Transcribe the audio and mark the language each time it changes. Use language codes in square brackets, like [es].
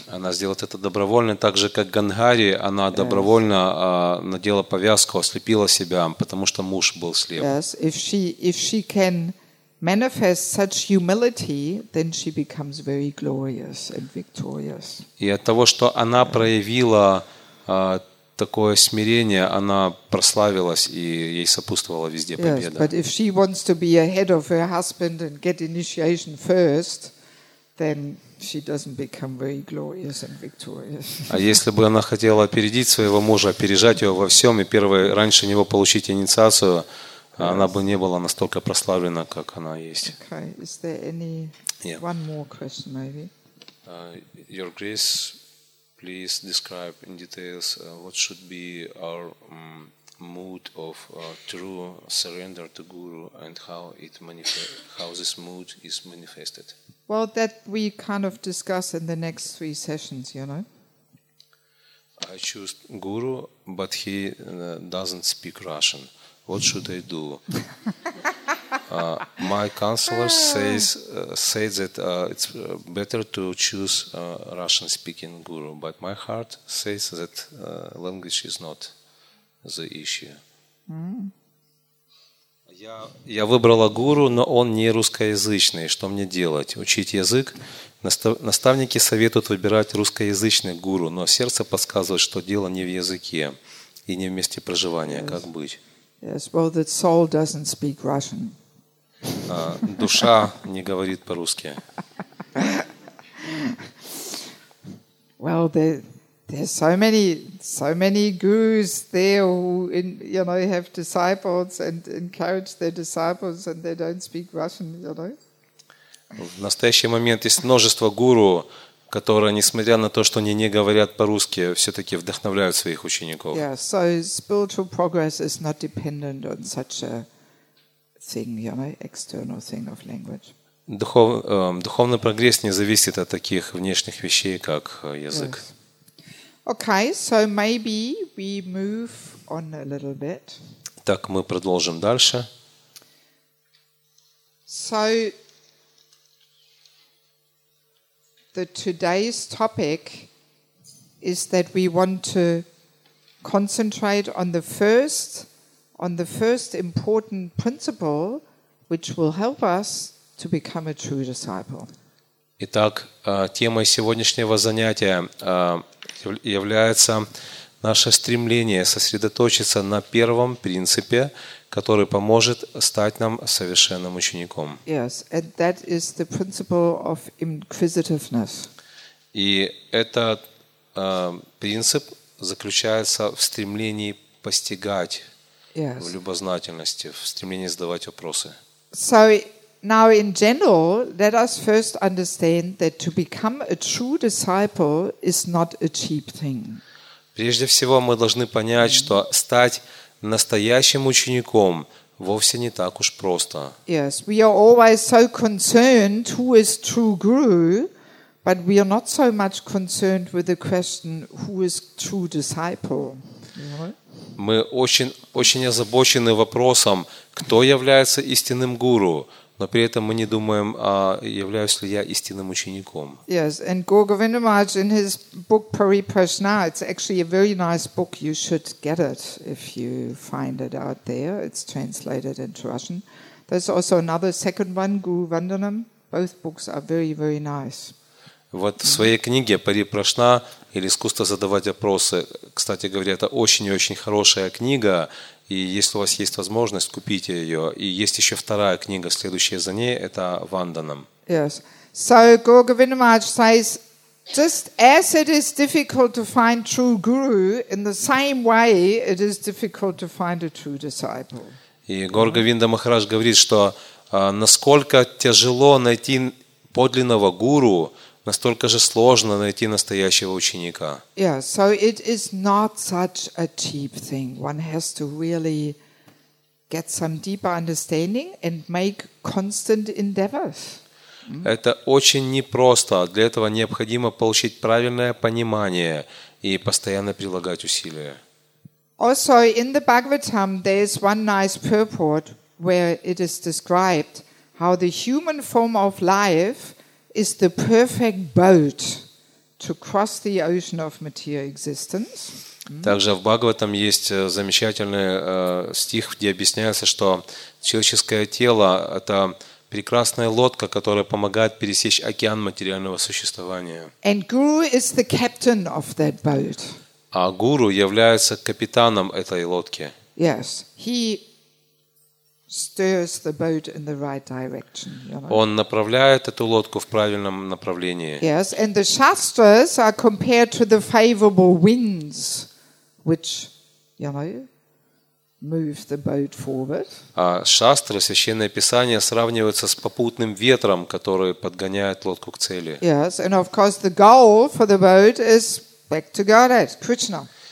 [ru] Она сделала это добровольно, так же как Гандхари, она [en] yes. [ru] добровольно надела повязку, ослепила себя, потому что муж был слеп. [en] Yes, if she can manifest such humility, then she becomes very glorious and victorious. [ru] И от того, что она проявила такое смирение, она прославилась и ей сопутствовала везде победа. [en] Yes, but if she wants to be ahead of her husband and get initiation first, then she doesn't become very glorious and victorious. [ru] А если бы она хотела опередить своего мужа, опережать его во всем и первой раньше него получить инициацию, [en] yes. [ru] она бы не была настолько прославлена, как она есть. [en] Okay. Is there any yeah. one more question maybe? Your Grace, please describe in details what should be our mood of true surrender to Guru and how it how this mood is manifested. Well, that we kind of discuss in the next three sessions, you know. I choose Guru, but he doesn't speak Russian. What should I do? My counselor says that it's better to choose a Russian-speaking guru, but my heart says that language is not the issue. [ru] Я выбрала гуру, но он не русскоязычный. Что мне делать? Учить язык? Наставники советуют выбирать русскоязычный гуру, но сердце подсказывает, что дело не в языке и не в месте проживания. [en] Yes. [ru] Как быть? [en] Yes, well, the soul doesn't speak Russian. [ru] Душа не говорит по-русски. [en] Well, there's so many gurus there who in, you know, have disciples and encourage their disciples and they don't speak Russian, you know. [ru] В настоящий момент есть множество гуру, которые, несмотря на то, что они не говорят по-русски, все-таки вдохновляют своих учеников. [en] Yeah, so spiritual progress is not dependent on such a thing, you know, external thing of language. [ru] Духовный прогресс не зависит от таких внешних вещей, как язык. [en] Okay, so maybe we move on a little bit. [ru] Так, мы продолжим дальше. [en] So the today's topic is that we want to concentrate on the first important principle which will help us to become a true disciple. [ru] Итак, темой сегодняшнего занятия является наше стремление сосредоточиться на первом принципе, который поможет стать нам совершенным учеником. [en] Yes, and that is the principle of inquisitiveness. [ru] И этот принцип заключается в стремлении постигать. [en] Yes. [ru] В любознательности, в стремлении задавать вопросы. [en] So now in general, let us first understand that to become a true disciple is not a cheap thing. [ru] Прежде всего, мы должны понять, mm-hmm. что стать настоящим учеником вовсе не так уж просто. [en] Yes, we are always so concerned who is true guru, but we are not so much concerned with the question who is true disciple. [ru] Мы очень озабочены вопросом, кто является истинным гуру, но при этом мы не думаем, являюсь ли я истинным учеником. [en] Yes, and Guru Govinda Maharaj in his book Pariprashna, it's actually a very nice book, you should get it if you find it out there, it's translated into Russian. There's also another second one, Guru Vandanam, both books are very, very nice. [ru] Вот в своей книге «Пари-прашна» или «Искусство задавать вопросы», кстати говоря, это очень и очень хорошая книга, и если у вас есть возможность, купите ее. И есть еще вторая книга, следующая за ней, это «Ванданам». [en] Yes. So Guru Govinda Maharaj says, just as it is difficult to find true guru, in the same way it is difficult to find a true disciple. [ru] И Guru Govinda Maharaj говорит, что насколько тяжело найти подлинного гуру, настолько же сложно найти настоящего ученика. [en] Yeah, so it is not such a cheap thing. One has to really get some deeper understanding and make constant endeavors. [ru] Это очень непросто. Для этого необходимо получить правильное понимание и постоянно прилагать усилия. [en] Also, in the Bhagavatam, there is one nice purport where it is described how the human form of life is the perfect boat to cross the ocean of material existence. [ru] Также в Бхагаватам есть замечательный стих, где объясняется, что человеческое тело – это прекрасная лодка, которая помогает пересечь океан материального существования. [en] And Guru is the captain of that boat. [ru] А Гуру является капитаном этой лодки. [en] Yes, he stirs the boat in the right direction. You know? [ru] Он направляет эту лодку в правильном направлении. [en] Yes, and the shastras are compared to the favorable winds, which, you know, move the boat forward. [ru] А шастры, священное писание, сравниваются с попутным ветром, который подгоняет лодку к цели. [en] Yes, and of course the goal for the boat is back to Godhead, Krishna.